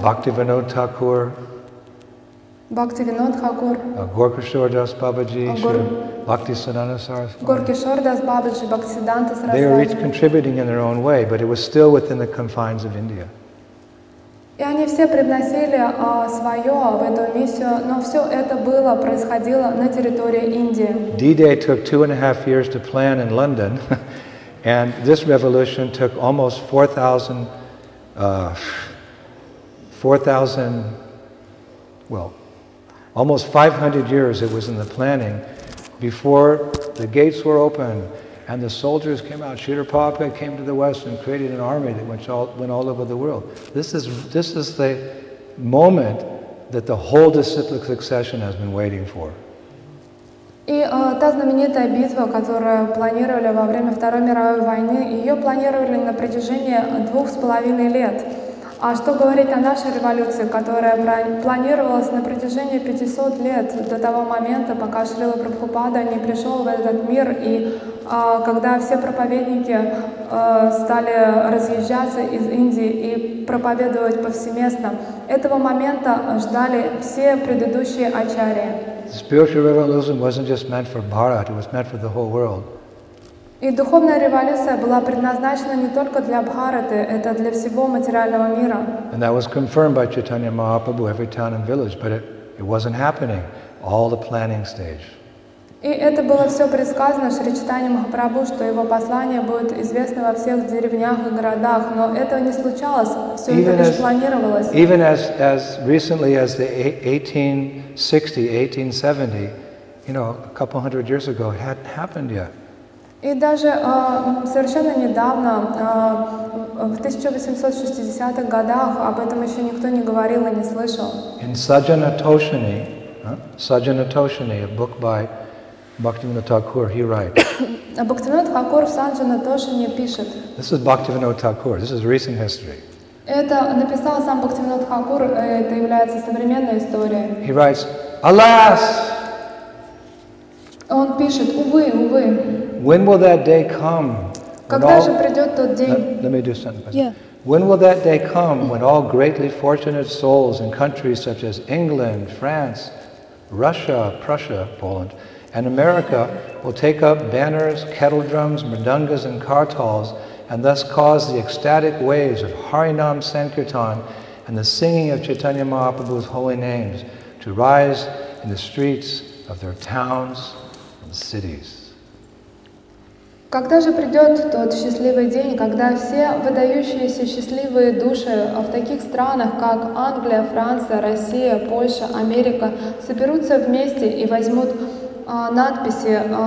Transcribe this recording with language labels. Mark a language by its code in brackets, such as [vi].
[ru] Бхактивинод Тхакур. Бхактивинод Тхакур. Горкишор Дас Бабаджи, Бхактисиддханта Сарасвати. Горкишор Дас Бабаджи, Бхактисиддханта Сарасвати. [en] They were each contributing in their own way, but it was still within the confines of India. [ru] И они все привносили свое в эту миссию, но все это было происходило на территории Индии. [en] D-Day took 2.5 years to plan in London, and this revolution took almost 500 years it was in the planning before the gates were open and the soldiers came out. Shridhar Prabhupada came to the West and created an army that went all over the world. This is the moment that the whole disciplic succession has been waiting for. [ru] И та знаменитая битва, которую планировали во время Второй мировой войны, ее планировали на протяжении 2,5 лет. А что говорить о нашей революции, которая планировалась на протяжении 500 лет до того момента, пока Шрила Прабхупада не пришел в этот мир, и когда все проповедники стали разъезжаться из Индии и проповедовать повсеместно. Этого момента ждали все предыдущие ачарьи. [en] Spiritual revolution wasn't just meant for Bharat, it was meant for the whole world. [ru] И духовная революция была предназначена не только для Бхараты, это для всего материального мира. [en] And that was confirmed by Chaitanya Mahaprabhu, every town and village, but it wasn't happening, all the planning stage. [ru] И это было все предсказано Шри Чайтанья Махапрабху, что его послание будет известно во всех деревнях и городах, но этого не случалось, все это лишь планировалось. [en] Even as recently as the 1860, 1870, you know, a couple hundred years ago, it hadn't happened yet. [ru] И даже совершенно недавно, в 1860-х годах, об этом еще никто не говорил и не слышал. [en] In Sajjana Toshini, Sajjana Toshini, a book by Bhaktivinoda Thakur, he writes. [ru] Bhaktivinoda Thakur в Sajjana Toshini пишет. [en] This is Bhaktivinoda Thakur, this is recent history. [ru] Это написал сам Bhaktivinoda Thakur, это является современной историей. [en] He writes, alas! [ru] Он пишет, увы, увы. [en] When will that day come? [ru] Когда же придет тот день? [en] Let me do something. Yeah. When will that day come when all greatly fortunate souls in countries such as England, France, Russia, Prussia, Poland, and America will take up banners, kettle drums, mridangas, and kartals, and thus cause the ecstatic waves of Harinam Sankirtan and the singing of Chaitanya Mahaprabhu's holy names to rise in the streets of their towns and cities? [ru] Когда же придет тот счастливый день, когда все выдающиеся счастливые души в таких странах, как Англия, Франция, Россия, Польша, Америка, соберутся вместе и возьмут надписи